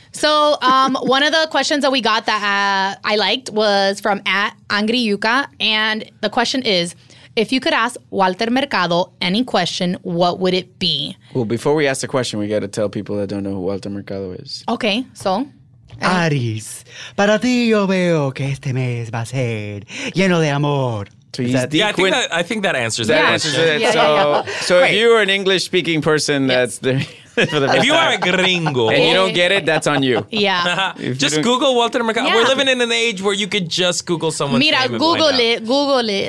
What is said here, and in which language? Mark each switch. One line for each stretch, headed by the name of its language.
English: So one of the questions that we got that I liked was from @angriyuka. And the question is, if you could ask Walter Mercado any question, what would it be? Well, before we ask the question, we got to tell people that don't know who Walter Mercado is. Okay, so.
Spanish: Aries, para ti yo veo que este mes va a ser lleno de amor.
English: So I think that answers that question. Answers it. So if you are an English-speaking person, that's the... If you are a gringo and you don't get it, that's on you. Yeah. Just Google Walter Mercado. Yeah. We're living in an age where you could just Google someone's name. Google it.